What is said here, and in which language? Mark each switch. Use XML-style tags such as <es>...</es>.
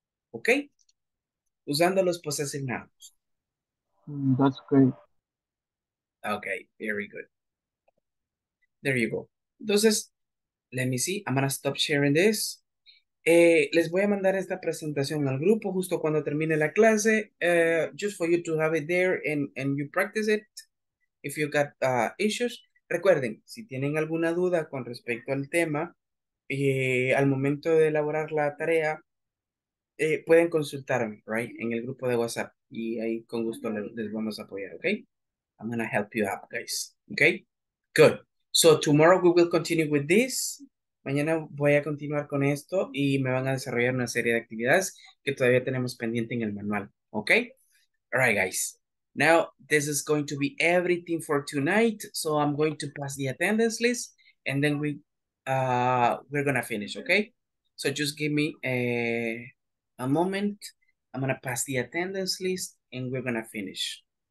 <es>¿Ok? Usando los possessive nouns.</es> <en>That's great. Okay, very good. There you go. Entonces, let me see. I'm gonna stop sharing this.</en> <es>Les voy a mandar esta presentación al grupo justo cuando termine la clase.</es> <en>Just for you to have it there and you practice it if you got issues.</en> <es>Recuerden, si tienen alguna duda con respecto al tema, al momento de elaborar la tarea, pueden consultarme, right, en el grupo de WhatsApp. Y ahí con gusto les vamos a apoyar, okay?</es> <en>I'm gonna help you out, guys, okay?</en> <es>Good.</es> <en>So tomorrow we will continue with this.</en> <es>Mañana voy a continuar con esto y me van a desarrollar una serie de actividades que todavía tenemos pendiente en el manual, okay?</es> <en>All right, guys. Now, this is going to be everything for tonight. So I'm going to pass the attendance list and then we we're gonna finish, okay? So just give me a moment. I'm gonna pass the attendance list and we're gonna finish.</en>